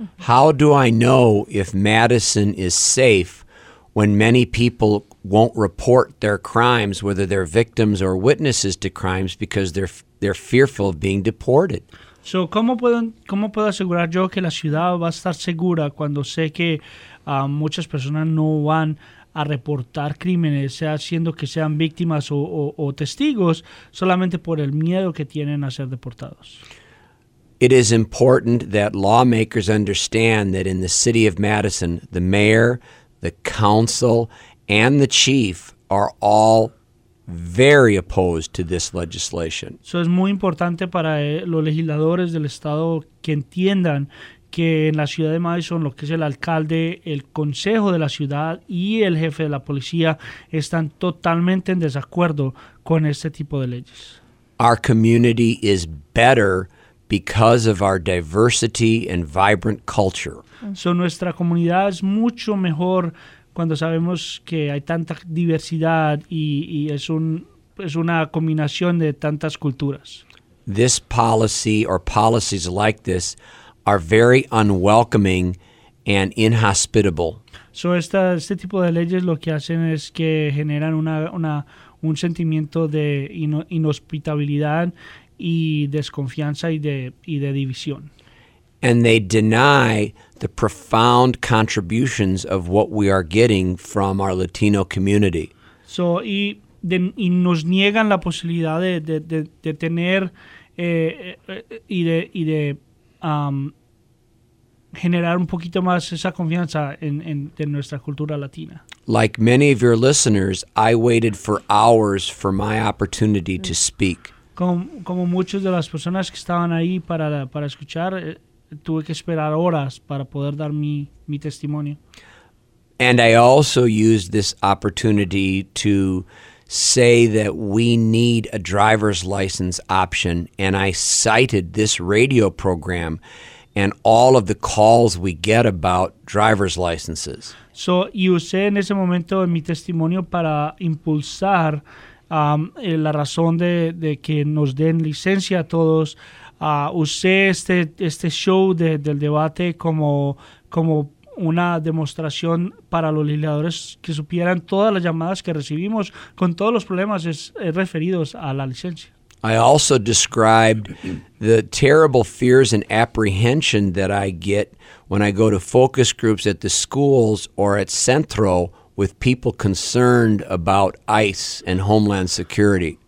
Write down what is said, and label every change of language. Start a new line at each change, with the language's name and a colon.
English: How do I know if Madison is safe when many people won't report their crimes, whether they're victims or witnesses to crimes, because they're fearful of being deported?
Spanish: So, ¿cómo puedo asegurar yo que la ciudad va a estar segura cuando sé que muchas personas no van a reportar crímenes, sea siendo que sean víctimas o testigos, solamente por el miedo que tienen a ser deportados?
English: It is important that lawmakers understand that in the city of Madison, the mayor, the council, and the chief are all very opposed to this legislation.
Spanish: So es muy importante para los legisladores del estado que entiendan que en la ciudad de Madison, lo que es el alcalde, el consejo de la ciudad y el jefe de la policía están totalmente en desacuerdo con este tipo de leyes.
English: Our community is better because of our diversity and vibrant culture.
Spanish: So nuestra comunidad es mucho mejor cuando sabemos que hay tanta diversidad y es una combinación de tantas culturas.
English: This policy or policies like this are very unwelcoming and inhospitable.
Spanish: So este tipo de leyes lo que hacen es que generan un sentimiento de inhospitalidad y desconfianza y de división.
English: And they deny the profound contributions of what we are getting from our Latino community.
Spanish: So y nos niegan la posibilidad de tener generar un poquito más esa confianza en nuestra cultura latina.
English: Like many of your listeners, I waited for hours for my opportunity to speak.
Spanish: Como muchos de las personas que estaban ahí para escuchar, tuve que esperar horas para poder dar mi testimonio.
English: And I also used this opportunity to say that we need a driver's license option, and I cited this radio program and all of the calls we get about driver's licenses.
Spanish: So, y usé en ese momento en mi testimonio para impulsar la razón de que nos den licencia a todos. Usé este show del debate como una demostración para los legisladores que supieran todas las llamadas que recibimos con todos los problemas referidos a la licencia.
English: I also described the terrible fears and apprehension that I get when I go to focus groups at the schools or at Centro with people concerned about ICE and Homeland Security.